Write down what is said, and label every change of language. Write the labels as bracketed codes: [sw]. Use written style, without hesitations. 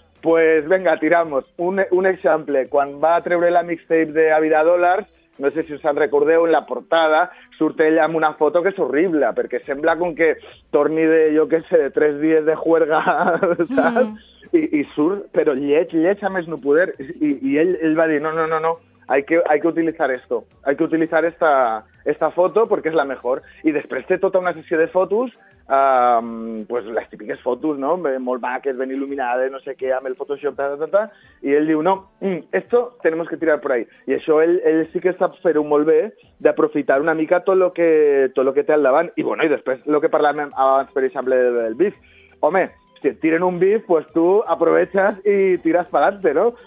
[ca] Pues venga, tiramos. Un exemple, quan va treure la mixtape de A Vida Dollars, no sé si us en recordeu, en la portada, surt ella amb una foto que és horrible, perquè sembla com que torni de, jo què sé, de 3 dies de juerga, ¿saps? I surt, però lleig a més no poder. I ell va dir, no, [es] hay que utilizar esto, hay que utilizar esta foto porque es la mejor. Y después de toda una sesión de fotos [ca] pues les típiques fotos, ¿no? Molt maques, ben il·luminades, no sé què, amb el Photoshop, ta, ta, ta. I ell diu, no, [es] esto tenemos que tirar por ahí. [ca] I això ell sí que sap fer-ho molt bé, d'aprofitar una mica tot lo que té al davant. I bueno, i després, lo que parlàvem abans, per exemple, del beef. Home, si et tiren un beef, pues [es] tu aprovechas [ca] i tires p'alante, no?